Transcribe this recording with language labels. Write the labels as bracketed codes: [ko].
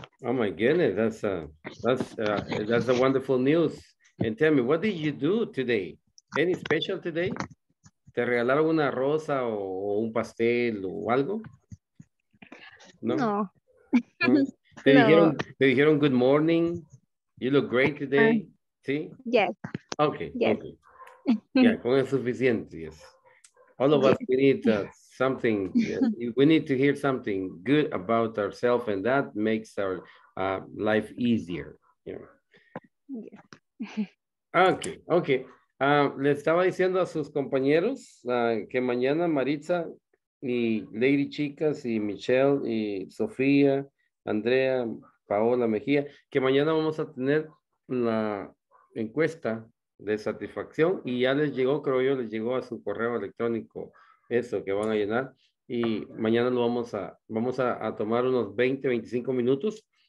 [en] Oh my goodness, that's a wonderful news. And tell me, what did you do today? Any special today? [es] ¿Te regalaron una rosa o un pastel o algo? No. No. ¿Te dijeron [en] good morning? You look great today. ¿Sí? Yes. Okay. Yes. Okay. [es] Yeah, con eso es suficiente. [en] Yes. All of us, we need something. We need to hear something good about ourselves, and that makes our life easier. Yeah. Yeah. Okay. Okay. [es] Le estaba diciendo a sus compañeros que mañana Maritza y Lady Chicas y Michelle y Sofía, Andrea, Paola Mejía, que mañana vamos a tener la encuesta de satisfacción y ya les llegó, creo yo, les llegó a su correo electrónico eso que van a llenar y mañana lo vamos a tomar unos 20, 25 minutos